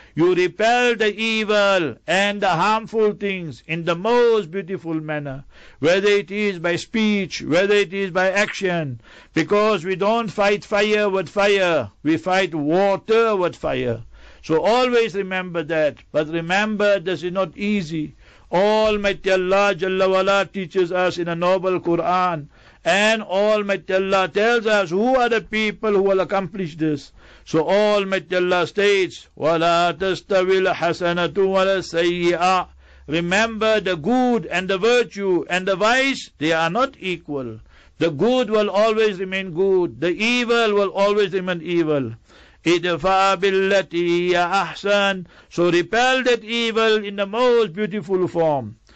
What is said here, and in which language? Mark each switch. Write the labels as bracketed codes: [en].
[en] You repel the evil and the harmful things in the most beautiful manner, whether it is by speech, whether it is by action, because we don't fight fire with fire, we fight water with fire. So always remember that, but remember this is not easy. Almighty Allah Jalla Wala teaches us in a noble Quran, and Almighty Allah tells us who are the people who will accomplish this. So Almighty Allah states, [ar] وَلَا تَسْتَوِي الْحَسَنَةُ وَلَا السَّيِّئَةُ. [en] Remember the good and the virtue and the vice, they are not equal. The good will always remain good. The evil will always remain evil. [ar] ادفع بالتي هي أحسن. [en] So repel that evil in the most beautiful form.